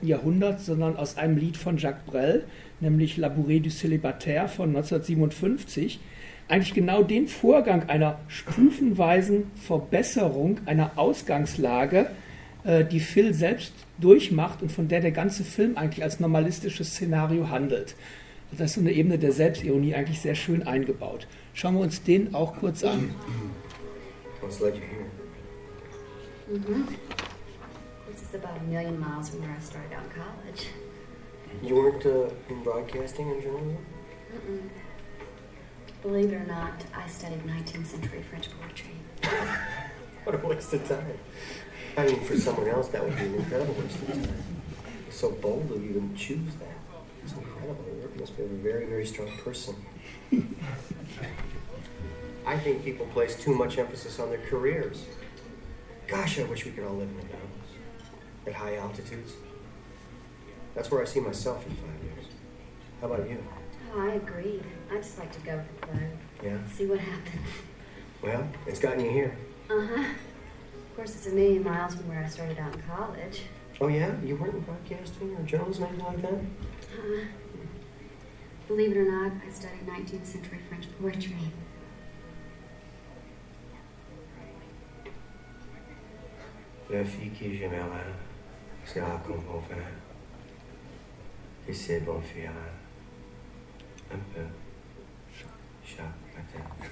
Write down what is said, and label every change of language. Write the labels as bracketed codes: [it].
[de] Jahrhunderts, sondern aus einem Lied von Jacques Brel, nämlich Labouré du Célibataire von 1957, eigentlich genau den Vorgang einer stufenweisen Verbesserung einer Ausgangslage, die Phil selbst durchmacht und von der ganze Film eigentlich als normalistisches Szenario handelt. Das ist so eine Ebene der Selbstironie eigentlich sehr schön eingebaut. Schauen wir uns den auch kurz an. [en] What's like you here? Mm-hmm. This is about a million miles from where I started out in college. You worked in broadcasting in journalism? Mm-mm. Believe it or not, I studied 19th century French poetry. What a waste of time. I mean, for someone else, that would be an incredible waste of time. So bold of you to choose that. It's incredible. You must be a very, very strong person. I think people place too much emphasis on their careers. Gosh, I wish we could all live in the mountains at high altitudes. That's where I see myself in 5 years. How about you? Oh, I agree. I'd just like to go for the fun. Yeah? See what happens. Well, it's gotten you here. Uh-huh. Of course, it's a million miles from where I started out in college. Oh, yeah? You weren't in broadcasting or journalism or anything like that? Believe it or not, I studied 19th century French poetry. [fr] La fille qui j'aimera, c'est un compagnon. Et c'est bon faire un peu chaque matin.